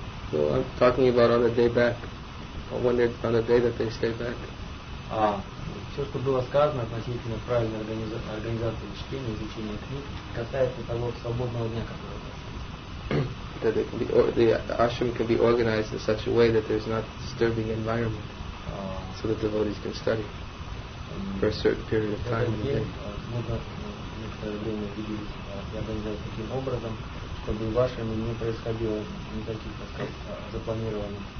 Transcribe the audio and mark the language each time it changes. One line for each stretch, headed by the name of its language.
English: So I'm talking about on the day back, on the day that they stay back.
Russian: Все, что было сказано относительно правильной организации чтения и изучения книг, касается того свободного дня, который у нас есть.
English: That the ashram can be organized in such a way that there's not disturbing environment, so that devotees can study for a certain period of time.
Russian: Некоторое время видеть организацию таким образом, чтобы в ashram не происходило никаких, так сказать, запланированных.